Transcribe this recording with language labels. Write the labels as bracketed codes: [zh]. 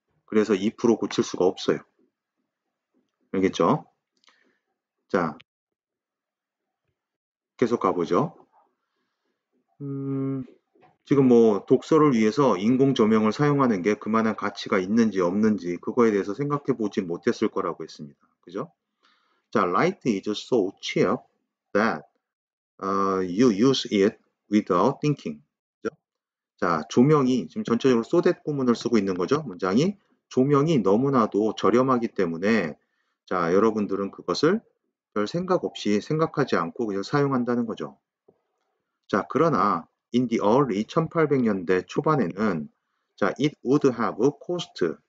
[ko] 그래서 if로 고칠 수가 없어요. 알겠죠? 자, 계속 가보죠. 지금 뭐 독서를 위해서 인공 조명을 사용하는 게 그만한 가치가 있는지 없는지 그거에 대해서 생각해 보지 못했을 거라고 했습니다. 그죠? [en] 자, light is so cheap that you use it without thinking. [ko] 그죠? 자, 조명이 지금 전체적으로 so that 구문을 쓰고 있는 거죠. 문장이 조명이 너무나도 저렴하기 때문에 자, 여러분들은 그것을 별 생각 없이 생각하지 않고 그냥 사용한다는 거죠. 자, 그러나 [en] In the early [ko] 1800년대 초반에는, 자, [en] it would have cost.